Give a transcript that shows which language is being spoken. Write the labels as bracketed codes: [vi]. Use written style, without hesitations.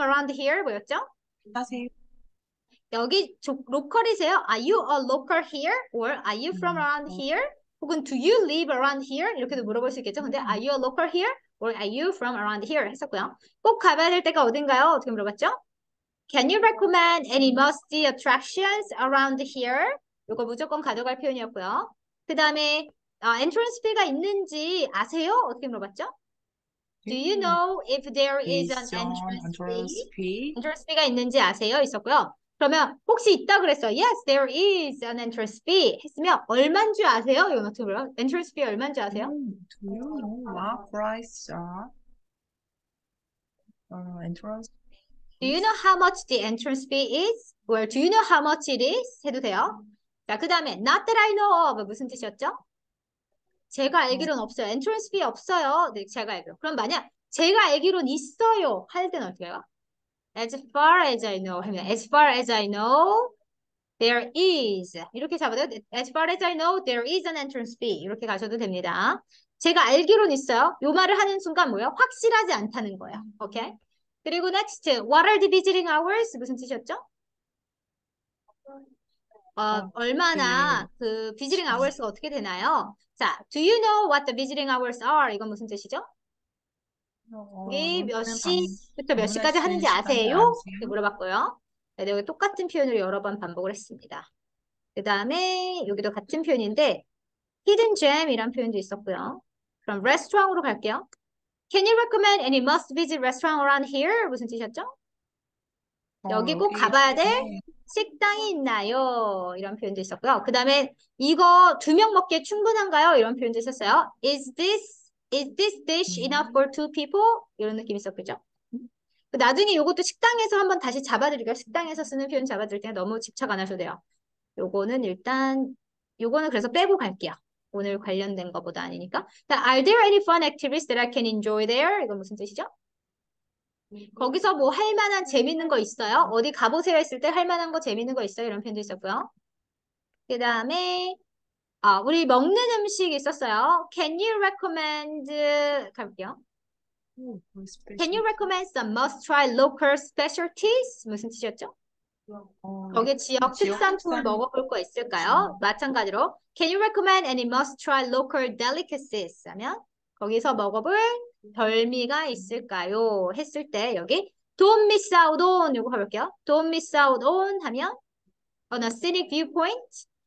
[en] from around here [ko] 뭐였죠? 안녕하세요. 여기 로컬이세요? [en] Are you a local here? Or are you from around here? [ko] 혹은 [en] do you live around here? [ko] 이렇게도 물어볼 수 있겠죠? 근데 [en] are you a local here? Or are you from around here? [ko] 했었고요. 꼭 가봐야 될 데가 어딘가요? 어떻게 물어봤죠? [en] Can you recommend any must-see attractions around here? [ko] 이거 무조건 가져갈 표현이었고요. 그 다음에 entrance fee가 있는지 아세요? 어떻게 물어봤죠? [en] Do you know if there is an Is your entrance fee? entrance fee? [ko] Entrance fee가 있는지 아세요? 있었고요. 그러면 혹시 있다 그랬어요? [en] Yes, there is an entrance fee. [ko] 했으면 얼마인 줄 아세요? 이 노트북으로. Entrance fee 얼마인 줄 아세요? [en] Do you know what price are entrance Do you know fees? how much the entrance fee is? Or do you know how much it is? [ko] 해도 돼요. 자, 그 다음에 [en] not that I know of [ko] 무슨 뜻이었죠? 제가 알기론 없어요. Entrance fee 없어요. 네, 제가 알기론. 그럼 만약 제가 알기론 있어요 할 때는 어떻게 해요? [en] As far as I know, as far as I know, there is. [ko] 이렇게 잡아도 돼요. [en] As far as I know, there is an entrance fee. [ko] 이렇게 가셔도 됩니다. 제가 알기론 있어요. 요 말을 하는 순간 뭐예요? 확실하지 않다는 거예요. 오케이? 그리고 [en] next, what are the visiting hours? [ko] 무슨 뜻이었죠? 얼마나 그 visiting hours가 어떻게 되나요? [en] 자, do you know what the visiting hours are? [ko] 이건 무슨 뜻이죠? 여기 몇 오늘은 시부터 몇 시까지 수 하는지 있는 시간을 아세요? 이렇게 아세요? 물어봤고요. 네, 여기 똑같은 표현을 여러 번 반복을 했습니다. 그 다음에 여기도 같은 표현인데, hidden gem 이란 표현도 있었고요. 그럼 레스토랑으로 갈게요. [en] Can you recommend any must visit restaurant around here? [ko] 무슨 뜻이었죠? 여기 꼭 여기 가봐야 될 최근에 식당이 있나요? 이런 표현도 있었고요. 그 다음에 이거 두명 먹기에 충분한가요? 이런 표현도 있었어요. [en] Is this dish enough for two people? [ko] 이런 느낌 있었겠죠? 나중에 이것도 식당에서 한번 다시 잡아드릴게요. 식당에서 쓰는 표현 잡아드릴게요. 너무 집착 안 하셔도 돼요. 요거는 일단, 요거는 그래서 빼고 갈게요. 오늘 관련된 거보다 아니니까. [en] Are there any fun activities that I can enjoy there? [ko] 이건 무슨 뜻이죠? 거기서 뭐할 만한 재밌는 거 있어요? 어디 가보세요 했을 때할 만한 거 재밌는 거 있어요? 이런 표현도 있었고요. 그 다음에, 우리 먹는 음식 있었어요. [en] Can you recommend, [ko] 갈게요. [en] Oh, my Can you recommend some must try local specialties? [ko] 무슨 뜻이었죠? 거기 지역 지역 특산품을 특산 먹어볼 거 있을까요? 지역. 마찬가지로. [en] Can you recommend any must try local delicacies? [ko] 하면 거기서 먹어볼 별미가 있을까요? 했을 때 여기 [en] Don't miss out on [ko] 이거 가볼게요. [en] Don't miss out on [ko] 하면 [en] on a scenic viewpoint.